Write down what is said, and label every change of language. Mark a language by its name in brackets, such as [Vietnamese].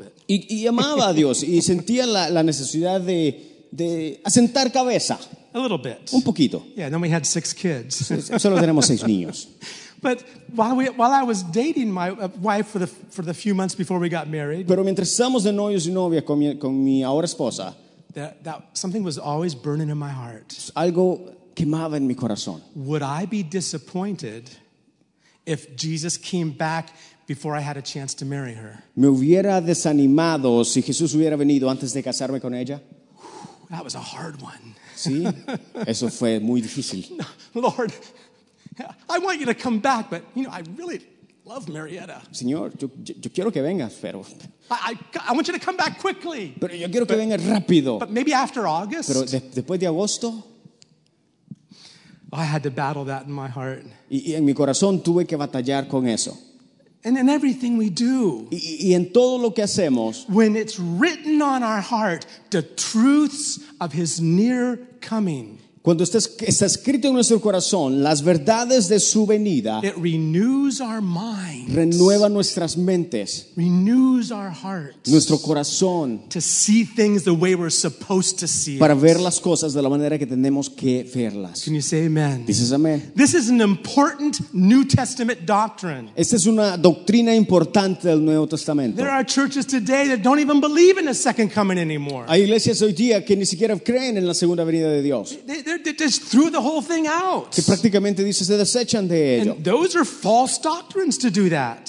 [Spanish] Y amaba a Dios y sentía la necesidad de asentar cabeza. [English] A little bit. [Spanish] Un poquito. [English] Yeah, then we had 6 kids. [Spanish] Solo tenemos 6 niños. [English] But while I was dating my wife for the few months before we got married, [Spanish] pero mientras estábamos de novios y novia con mi ahora esposa, [English] that something was always burning in my heart. [Spanish] Algo quemaba en mi corazón. [English] Would I be disappointed if Jesus came back before I had a chance to marry her? [Spanish] Me hubiera desanimado si Jesús hubiera venido antes de casarme con ella. [English] That was a hard one. [Spanish] Sí, eso fue muy difícil. [English] Lord. I want you to come back, but you know I really love Marietta. [Spanish] Señor, yo quiero que vengas, pero. [English] I want you to come back quickly. [Spanish] Pero yo quiero que vengas rápido. [English] But maybe after August. [Spanish] Pero después de agosto. [English] I had to battle that in my heart. [Spanish] Y en mi corazón tuve que batallar con eso. [English] And in everything we do. [Spanish] Y en todo lo que hacemos. [English] When it's written on our heart, the truths of His near coming. [Spanish] Cuando está escrito en nuestro corazón las verdades de su venida, [English] it renews our minds, [Spanish] renueva nuestras mentes, [English] renews our hearts, [Spanish] nuestro corazón, [English] to see things the way we're supposed to see [Spanish] para ver las cosas de la manera que tenemos que verlas. [English] Can you say amen? [Spanish] Dices amén. [English] This is an important New Testament doctrine. [Spanish] Esta es una doctrina importante del Nuevo Testamento. [English] There are churches today that don't even believe in the second coming anymore. [Spanish] Hay iglesias hoy día que ni siquiera creen en la segunda venida de Dios. [English] They just threw the whole thing out. [Spanish] Que prácticamente dice se desechan de ello. [English] And those are false doctrines to do that.